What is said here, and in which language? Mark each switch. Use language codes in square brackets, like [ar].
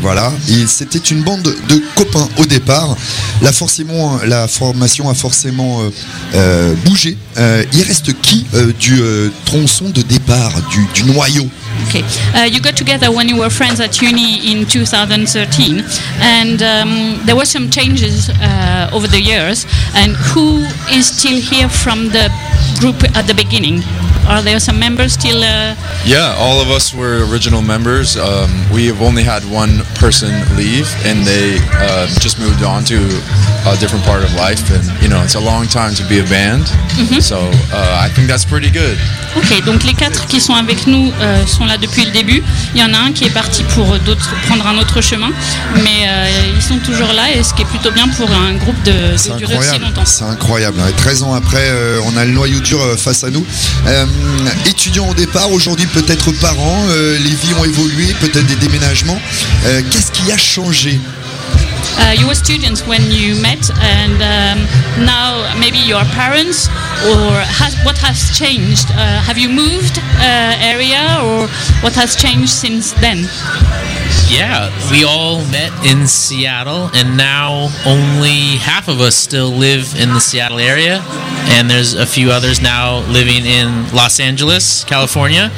[fr] Voilà, et c'était une bande de copains au départ. La formation a forcément bougé. Il reste qui du tronçon de départ, du noyau? [en] Okay, you got together when you were friends at uni in 2013, and there were some changes over the years. And who is still here from the group at the beginning? Are there some members still? Yeah, all of us were original members. We have only had one person leave, and they just moved on to a different part of life. And you know, it's a long time to be a band, so I think that's pretty good. [fr] Okay, donc les quatre qui sont avec nous sont là depuis le début. Il y en a un qui est parti pour d'autres prendre un autre chemin, mais ils sont toujours là, et ce qui est plutôt bien pour un groupe de durer aussi longtemps. C'est incroyable. Et 13 ans après, on a le noyau dur face à nous. Étudiants au départ, aujourd'hui peut-être parents, les vies ont évolué, peut-être des déménagements. Qu'est-ce qui a changé? [en] You were students when you met, and now maybe you are parents, or what has changed? Have you moved area, or what has changed since then? Yeah, we all met in Seattle, and now only half of us still live in the Seattle area, and there's a few others now living in Los Angeles, California.